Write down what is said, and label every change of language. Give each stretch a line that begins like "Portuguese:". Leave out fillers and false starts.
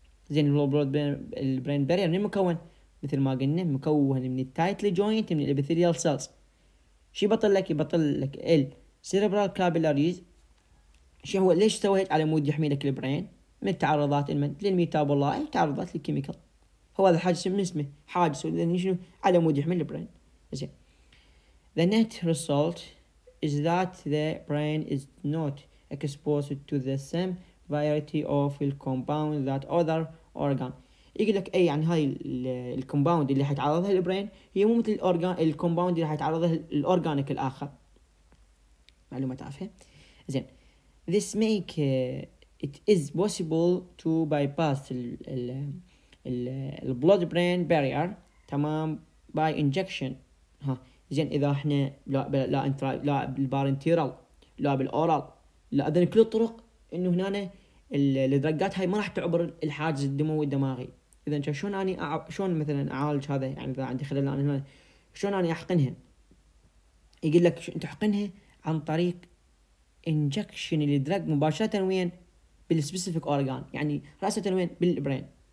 Arabic: زين البلود برين بارير من مكون؟ مثل ما قلنا مكون من التايتلي جوينت من الابيثيليال سيلز. شي بطل لك؟ يبطل لك ال سيريبرال كابيلاريز. شو هو ليش سويت على مود يحمي لك البرين من التعرضات من للميتابولايت تعرضات للكيميكال؟ هو هذا الحاجز من اسمه حاجز شنو على مود يحمي البرين.
English: زين the net result is that the brain is not exposed to the same variety of the compound that other organ.
Arabic: يقول لك اي يعني هاي الكومباوند اللي حيتعرضها البرين هي مو مثل الاورجان الكومباوند اللي حيتعرضها الاورجانيك الاخر. معلومه تافهه.
English: زين this make it is possible to bypass ال blood brain barrier تمام by injection.
Arabic: ها زين اذا احنا لا بالبارنتيرال لا بالاورال لا اذن كل الطرق انه هنا الدراجات هاي ما راح تعبر الحاجز الدموي الدماغي. اذا شلون اني شلون مثلا اعالج هذا؟ يعني اذا عندي خلل انا هنا شلون اني احقنها؟ يقول لك تحقنها عن طريق انجكشن الدراج مباشره وين؟ بالسبيسيفيك اورجان، يعني راسه وين؟ بالبرين.